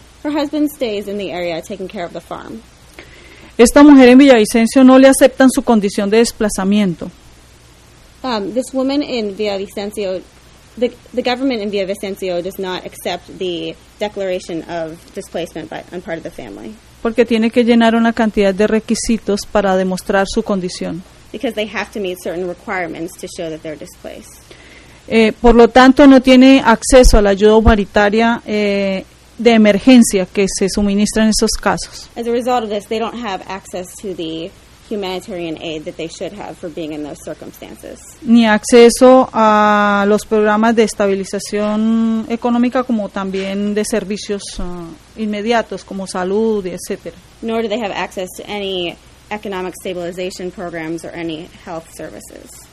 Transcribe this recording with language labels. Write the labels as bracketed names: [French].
[English] Her husband stays in the area taking care of the farm. [Spanish] Esta mujer en Villavicencio no le aceptan su condición de desplazamiento. [English] This woman in Villavicencio, the government in Villavicencio does not accept the declaration of displacement on part of the family. [Spanish] Porque tiene que llenar una cantidad de requisitos para demostrar su condición. [English] Because they have to meet certain requirements to show that they're displaced. [Spanish] Por lo tanto, no tiene acceso a la ayuda humanitaria de emergencia que se suministra en esos casos. [English] As a result of this, they don't have access to the humanitarian aid that they should have for being in those circumstances. [Spanish] Ni acceso a los programas de estabilización económica como también de servicios inmediatos como salud, etc. [English] Nor do they have access to any economic stabilization programs or any health services.